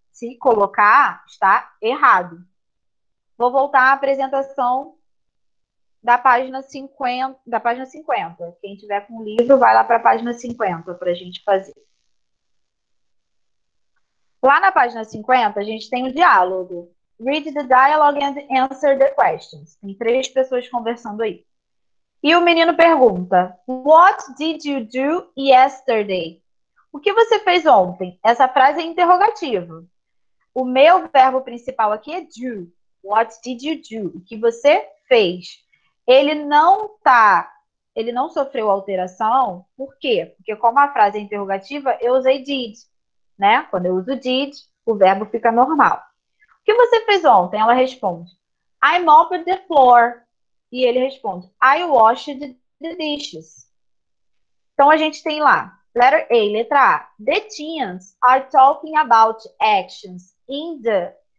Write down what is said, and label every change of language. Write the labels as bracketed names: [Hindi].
[Portuguese] Se colocar, está errado. Vou voltar à apresentação da página 50, da página 50. Quem tiver com o livro, vai lá para a página 50 para a gente fazer. Lá na página 50, a gente tem o diálogo. [English] Read the dialogue and answer the questions. [Portuguese] Tem três pessoas conversando aí. E o menino pergunta, [English] what did you do yesterday? [Portuguese] O que você fez ontem? Essa frase é interrogativa. O meu verbo principal aqui é do. [English] What did you do? [Portuguese] O que você fez? Ele não sofreu alteração, por quê? Porque como a frase é interrogativa, eu usei did. Né? Quando eu uso did, o verbo fica normal. O que você fez ontem? Ela responde, [English] I mopped the floor. [Portuguese] E ele responde, [English] I washed the dishes. [Portuguese] Então a gente tem lá, letter A, letra A. [English] The teens are talking about actions in the...